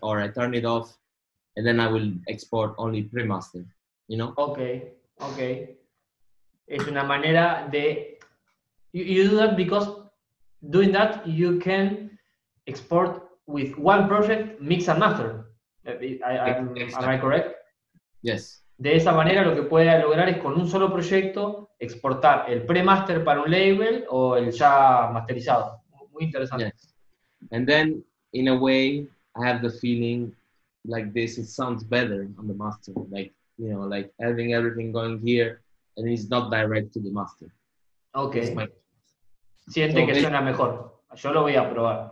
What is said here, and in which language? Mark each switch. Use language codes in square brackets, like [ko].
[en] Or I turn it off, and then I will export only pre-master. You know. Okay. [es] Es una manera de [en] you do that, because doing that you can export with one project mix and master. Am I correct? Yes. [es] De esa manera lo que puede lograr es con un solo proyecto exportar el pre-master para un label o el ya masterizado. Muy interesante. Yes. [en] And then, in a way, I have the feeling like this, it sounds better on the master. Like, you know, like having everything going here and it's not direct to the master. [es] Okay. Siente que suena mejor. Yo lo voy a probar.